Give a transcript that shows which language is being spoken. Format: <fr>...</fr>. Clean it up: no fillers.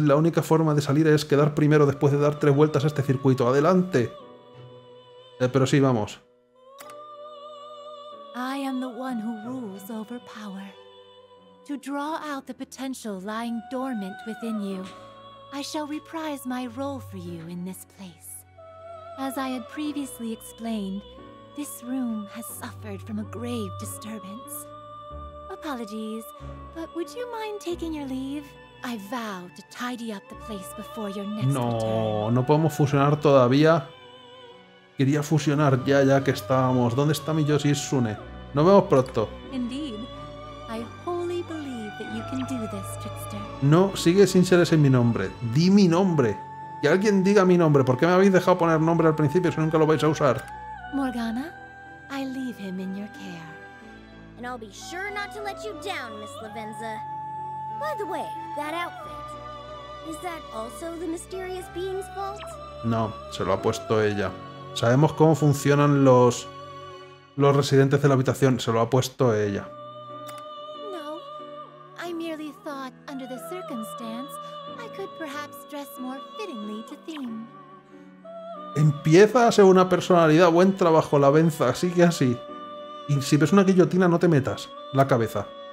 <es>La única forma de salir es quedar primero después de dar tres vueltas a este circuito. ¡Adelante! Pero sí, vamos.</es> <en>I am the one who rules over power. To draw out the potential lying dormant within you, I shall reprise my role for you in this place. As I had previously explained, this room has suffered from a grave disturbance. Apologies, but would you mind taking your leave? I vow to tidy up the place before your next.</en> <es>No, no podemos fusionar todavía. Quería fusionar ya que estábamos. ¿Dónde está mi Yoshi Tsune? Nos vemos pronto.</es> <en>Indeed, I wholly believe that you can do this, trickster.</en> <es>No, sigue sin ser ese mi nombre. Di mi nombre. Que alguien diga mi nombre. ¿Por qué me habéis dejado poner nombre al principio si nunca lo vais a usar?</es> <en>Morgana, I leave him in your care. And I'll be sure not to let you down, Miss Lavenza. By the way, that outfit, is that also the mysterious being's fault?</en> <es>No, se lo ha puesto ella. Sabemos cómo funcionan los residentes de la habitación, se lo ha puesto ella.</es> <en>No, I merely thought under the circumstance I could perhaps dress more fittingly to theme.</en> <es>Empieza a ser una personalidad. Buen trabajo, la Venza. Sigue así. Y si ves una guillotina, no te metas la cabeza.</es>